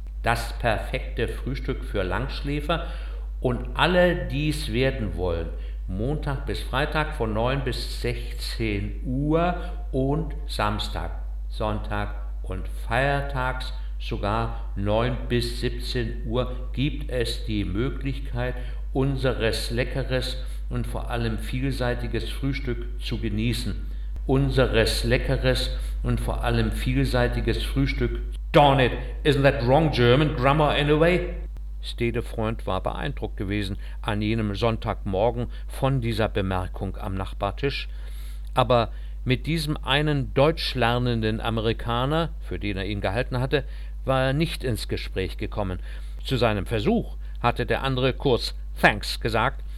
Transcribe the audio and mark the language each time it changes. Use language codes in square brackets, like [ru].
[de] Das perfekte Frühstück für Langschläfer und alle, die es werden wollen, Montag bis Freitag von 9 bis 16 Uhr und Samstag, Sonntag und Feiertags sogar 9 bis 17 Uhr gibt es die Möglichkeit, unseres leckeres und vor allem vielseitiges Frühstück zu genießen. Unseres leckeres und vor allem vielseitiges Frühstück. [en] Darn it, isn't that wrong German grammar anyway? [de] Stedefreund war beeindruckt gewesen an jenem Sonntagmorgen von dieser Bemerkung am Nachbartisch. Aber mit diesem einen deutschlernenden Amerikaner, für den er ihn gehalten hatte, war er nicht ins Gespräch gekommen. Zu seinem Versuch hatte der andere kurz Thanks gesagt.